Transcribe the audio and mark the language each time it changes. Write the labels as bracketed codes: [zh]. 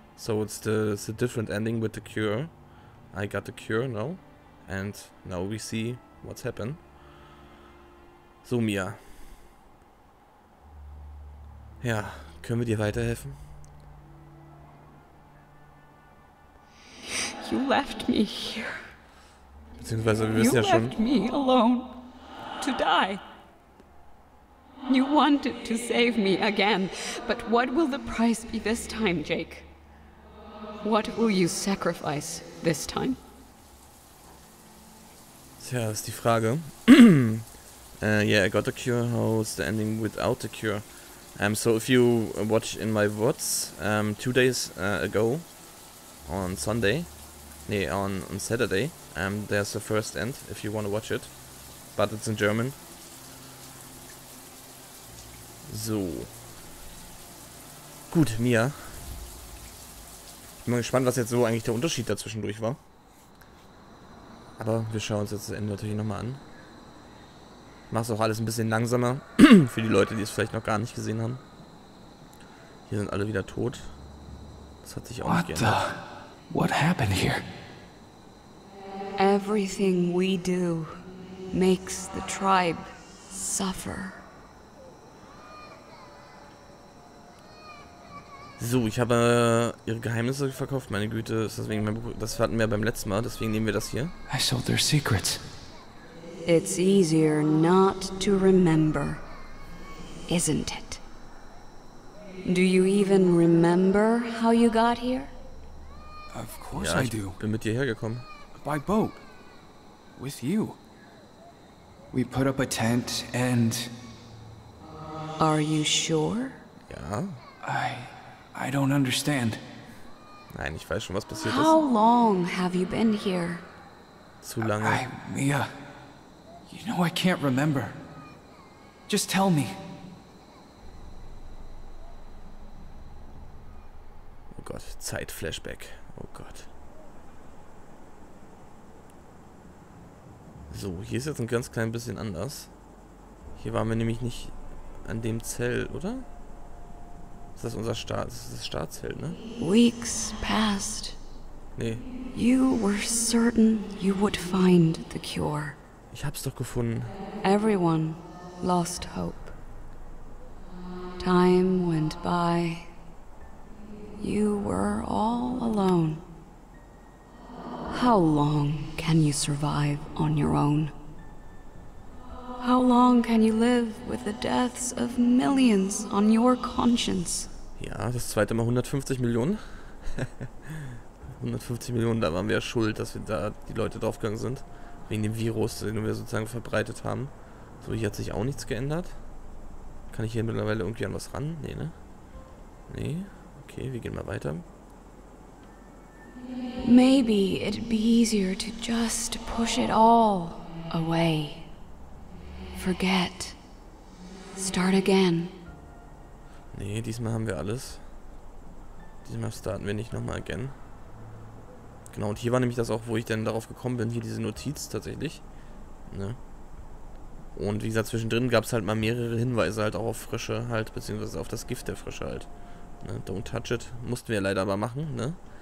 [en] So it's a different ending with the cure. I got the cure now. And now we see what's happened. So, Mia. [de] Ja, können wir dir weiterhelfen? [en] You left me here. [de] Beziehungsweise wir wissen ja schon. [en] You left me alone to die. You wanted to save me again, but what will the price be this time, Jake? What will you sacrifice this time? [de] Tja, ist die Frage. [en] I got the cure. How's the ending without the cure? So if you watch in my VODs, 2 days ago, on Sunday, on Saturday, there's the first end, if you want to watch it, but it's in German. [de] So. Gut, Mia. Bin mal gespannt, was jetzt so eigentlich der Unterschied dazwischendurch war. Aber wir schauen uns jetzt das Ende natürlich nochmal an. Mach's auch alles ein bisschen langsamer. Für die Leute, die es vielleicht noch gar nicht gesehen haben. Hier sind alle wieder tot. Das hat sich auch nicht geändert. [en] What happened here? Everything we do makes the tribe suffer. [de] So, ich habe ihre Geheimnisse verkauft, meine Güte, deswegen mein Buch, das hatten wir beim letzten Mal, deswegen nehmen wir das hier. [en] I sold their secrets. It's easier not to remember, isn't it? Do you even remember how you got here? Of course [de] ja, [en] I do. [de] Bin mit dir hergekommen. [en] By boat. With you. We put up a tent and... Are you sure? [de] Ja. [en] I don't understand. [de] Nein, ich weiß schon, was passiert ist. [en] How long have you been here? [de] Zu lange. [en] Mia, you know I can't remember. Just tell me. [de] Oh Gott, Zeitflashback. Oh Gott. So, hier ist jetzt ein ganz klein bisschen anders. Hier waren wir nämlich nicht an dem Zell, oder? Das ist unser Staat, das ist das Staatsfeld, ne? [en] Weeks passed. [de] Nee. [en] You were certain you would find the cure. [de] Ich hab's doch gefunden. [en] Everyone lost hope. Time went by. You were all alone. How long can you survive on your own? How long can you live with the deaths of millions on your conscience? [de] Ja, das zweite Mal 150 Millionen. 150 Millionen, da waren wir ja schuld, dass wir da die Leute draufgegangen sind. Wegen dem Virus, den wir sozusagen verbreitet haben. So, hier hat sich auch nichts geändert. Kann ich hier mittlerweile irgendwie an was ran? Nee, ne? Nee? Okay, wir gehen mal weiter. [en] Maybe it'd be easier to just push it all away. Forget. Start again. [de] Nee, diesmal haben wir alles. Diesmal starten wir nicht nochmal again. Genau, und hier war nämlich das auch, wo ich dann darauf gekommen bin, hier diese Notiz tatsächlich. Ne? Und wie gesagt, zwischendrin gab es halt mal mehrere Hinweise halt auch auf Frösche halt, beziehungsweise auf das Gift der Frösche halt. Ne? [en] Don't touch it. [de] Mussten wir leider aber machen, ne?